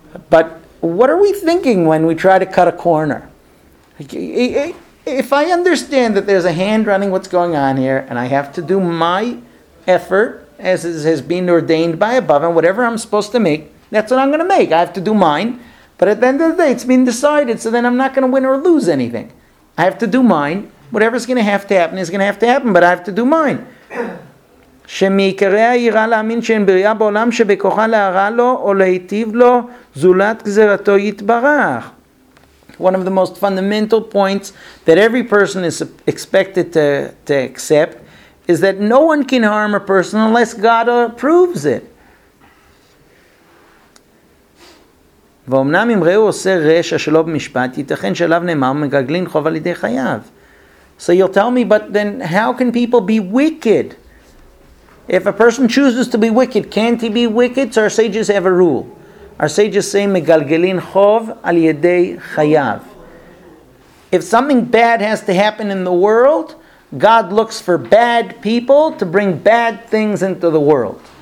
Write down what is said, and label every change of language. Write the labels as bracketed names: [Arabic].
[English] But what are we thinking when we try to cut a corner? If I understand that there's a hand running what's going on here, and I have to do my effort as has been ordained by above, and whatever I'm supposed to make, that's what I'm going to make. I have to do mine. But at the end of the day, it's been decided, so then I'm not going to win or lose anything. I have to do mine. Whatever's going to have to happen is going to have to happen, but I have to do mine. [Hebrew] שמעיקריה יראה להאמין שאין בריאה בעולם שבכוחה להרע לו או להיטיב לו זולת גזרתו יתברך. [English] One of the most fundamental points that every person is expected to accept is that no one can harm a person unless God approves it. [Hebrew] ואומנם אם ראו עושה רשע שלא במשפט ייתכן שעליו נאמר מגגלין חוב על ידי חייו. [English] So you'll tell me, but then how can people be wicked? If a person chooses to be wicked, can't he be wicked? So our sages have a rule. Our sages say, [Hebrew] "Megalgelin chov al yedei chayav." [English] If something bad has to happen in the world, God looks for bad people to bring bad things into the world.